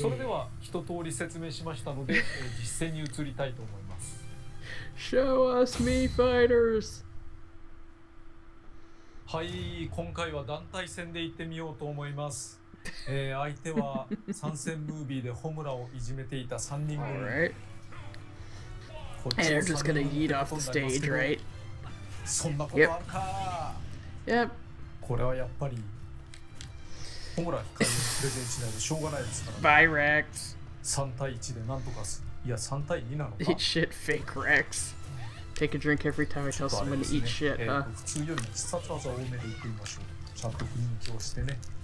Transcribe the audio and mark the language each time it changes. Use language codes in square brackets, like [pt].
[ja] それでは一通り説明しましたので実戦に移りたいと思います。 [en] Show us me fighters. [ja] はい、今回は団体戦で行ってみようと思います。相手は参戦ムービーでホムラをいじめていた3人組。 [en] All right. And they're just gonna yeet off the stage, right? [ja] そんなことあるか。 [en] Yep. [ja] これはやっぱりホムラ控えのプレゼンしないとしょうがないですからね。 [en] By Rex. [ja] 3対1でなんとかす。いや、3対2なのか。 [en] Eat shit, fake Rex. Take a drink every time I tell someone to eat shit, huh? [ja] 普通より必殺技を多めで行ってみましょう。ちゃんと雰囲気をしてね。